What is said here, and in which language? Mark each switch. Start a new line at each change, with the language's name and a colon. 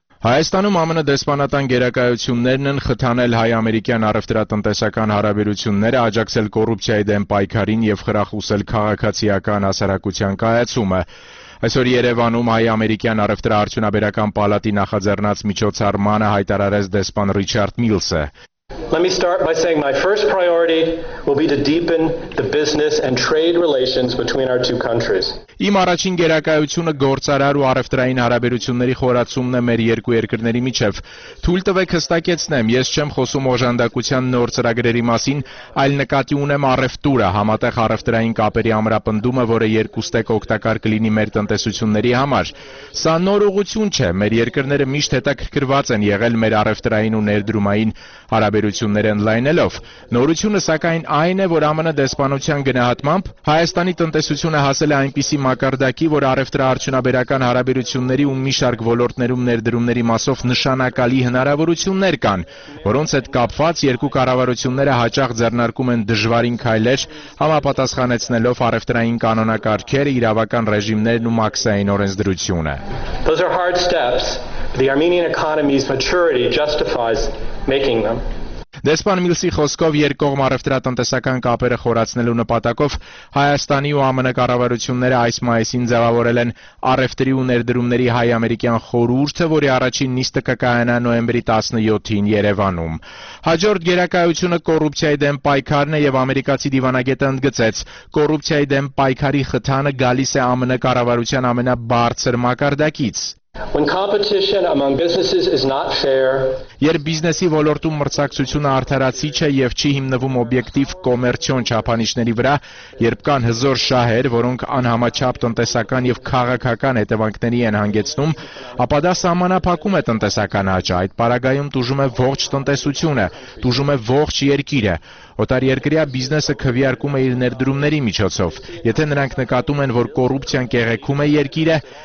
Armenian: Հայաստանում ԱՄՆ դեսպանատան գերակայություններն են խթանել հայ-ամերիկյան առևտրատնտեսական հարաբերությունները, աջակցել կոռուպցիայի դեմ պայքարին և խրախուսել քաղաքացիական հասարակության կայացումը։ Այսօր Երևանում Հայ-Ամերիկյան Առևտրարդյունաբերական պալատի նախաձեռնած միջոցառմանը հայտարարեց դեսպան Ռիչարդ Միլսը։
English: Let me start by saying my first priority will be to deepen the business and trade relations between our two countries.
Armenian: Իմ առաջին գերակայությունը գործարար ու առևտրային հարաբերությունների խորացումն է մեր երկու երկրների միջև։ Թույլ տվեք հստակեցնեմ, ես չեմ խոսում օժանդակության նոր ծրագրերի մասին, այլ նկատի ունեմ առևտուրը, համատեղ առևտրային կապերի ամրապնդումը, որը երկուստեք օգտակար կլինի մեր տնտեսությունների համար։ Սա նոր ուղղություն չէ, մեր երկրները միշտ հետաքրքրված են եղել մեր առևտրային ու ներդրումային հարաբերությունները ընդլայնելով։ Նորությունը սակայն այն է, որ ԱՄՆ դեսպանության գնահատմամբ Հայաստանի տնտեսությունը հասել է այնպես սի մակարդակի, որ առևտրաարդյունաբերական հարաբերությունների ու մի շարք ոլորտներում ներդրումների մասով նշանակալի հնարավորություններ կան, որոնց հետ կապված երկու կառավարությունները հաճախ ձեռնարկում են դժվարին քայլեր, համապատասխանեցնելով առևտրային կանոնակարգերը, իրավական ռեժիմներն ու մաքսային օրենսդրությունը.
English: Those are hard steps, but the Armenian economy's maturity justifies making them.
Armenian: Դեսպան Միլսի խոսքով երկկողմ առևտրատնտեսական կապերը խորացնելու նպատակով Հայաստանի ու ԱՄՆ կառավարությունները այս մայիսին ձևավորել են առևտրի ու ներդրումների հայ-ամերիկյան խորհուրդը, որի առաջին նիստը կկայանա նոյեմբերի 17-ին Երևանում։ Հաջորդ գերակայությունը կոռուպցիայի դեմ պայքարն է եւ ամերիկացի դիվանագետը ընդգծեց. կոռուպցիայի դեմ պայքարի խթանը գալիս է ԱՄՆ կառավարության ամենաբարձր մակարդակից։
English: When competition among businesses is not fair,
Armenian: Երբ բիզնեսի ոլորտում մրցակցությունը արդարացի չէ եւ չի հիմնվում օբյեկտիվ կոմերցիոն չափանիշների վրա, երբ կան հզոր շահեր, որոնք անհամաչափ տնտեսական եւ քաղաքական հետևանքների են հանգեցնում, ապա դա սահմանափակում է տնտեսական աճը, այդ պարագայում տուժում է ողջ տնտեսությունը, տուժում է ողջ երկիրը։ Օտար երկրյա բիզնեսը քվեարկում է իր ներդրումների միջոցով։ Եթե նրանք նկատում են, որ կոռուպցիան կեղեքում է երկիրը,